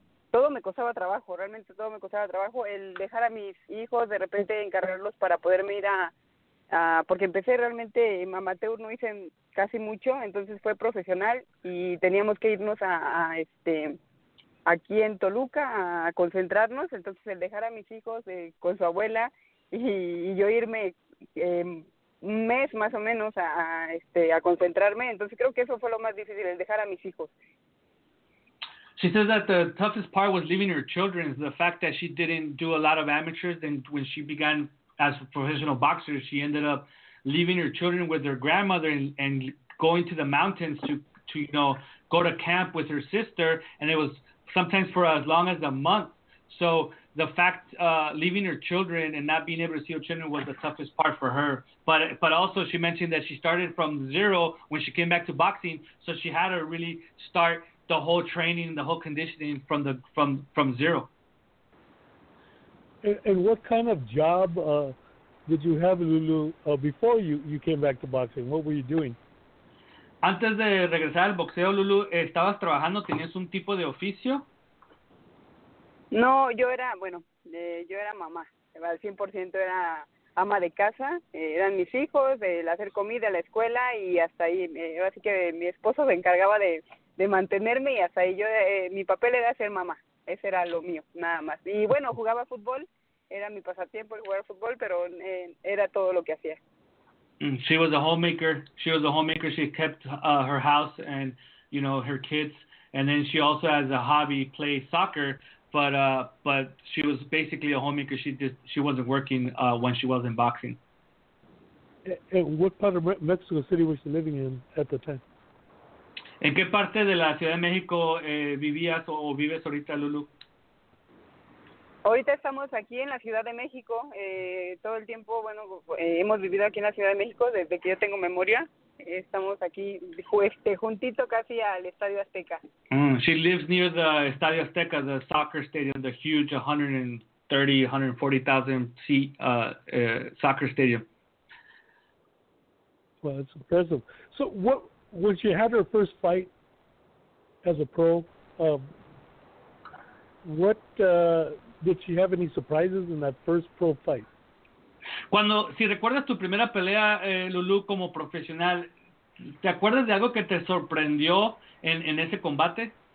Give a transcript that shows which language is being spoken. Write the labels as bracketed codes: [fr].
[es] Todo me costaba trabajo, realmente todo me costaba trabajo. El dejar a mis hijos, de repente encargarlos para poderme ir a porque empecé realmente amateur, no hice casi mucho, entonces fue profesional y teníamos que irnos aquí en Toluca a concentrarnos. Entonces el dejar a mis hijos con su abuela y yo irme un mes más o menos a concentrarme, entonces creo que eso fue lo más difícil, el dejar a mis hijos. [en] She says that the toughest part was leaving her children, the fact that she didn't do a lot of amateurs, and when she began as a professional boxer, she ended up leaving her children with her grandmother and going to the mountains to you know, go to camp with her sister. And it was sometimes for as long as a month. So the fact leaving her children and not being able to see her children was the toughest part for her. But also she mentioned that she started from zero when she came back to boxing. So she had to really start the whole training, the whole conditioning from zero. And what kind of job did you have, Lulu, before you came back to boxing? What were you doing? [es] Antes de regresar al boxeo, Lulu, ¿estabas trabajando? ¿Tenías un tipo de oficio? No, yo era, yo era mamá. Al 100% era ama de casa. Eran mis hijos, el hacer comida, la escuela y hasta ahí. Así que mi esposo se encargaba de mantenerme y hasta ahí. Mi papel era ser mamá. Ese era lo mío, nada más. Y bueno, jugaba fútbol, era mi pasatiempo jugar fútbol, pero era todo lo que hacía. [en] She was a homemaker. She was a homemaker. She kept her house and, you know, her kids. And then she also, as a hobby, played soccer. But she was basically a homie because she wasn't working when she was in boxing. And what part of Mexico City was she living in at the time? [es] ¿En qué parte de la Ciudad de México vivías o vives ahorita, Lulu? Ahorita estamos aquí en la Ciudad de México. Todo el tiempo, bueno, hemos vivido aquí en la Ciudad de México desde que yo tengo memoria. Estamos aquí juntito casi al Estadio Azteca. [en] She lives near the Estadio Azteca, the soccer stadium, the huge 130,000-140,000 seat soccer stadium. Well, that's impressive. So what, when she had her first fight as a pro, did she have any surprises in that first pro fight? [es] Cuando, si recuerdas tu primera pelea, Lulu, como profesional, ¿te acuerdas de algo que te sorprendió en ese combate?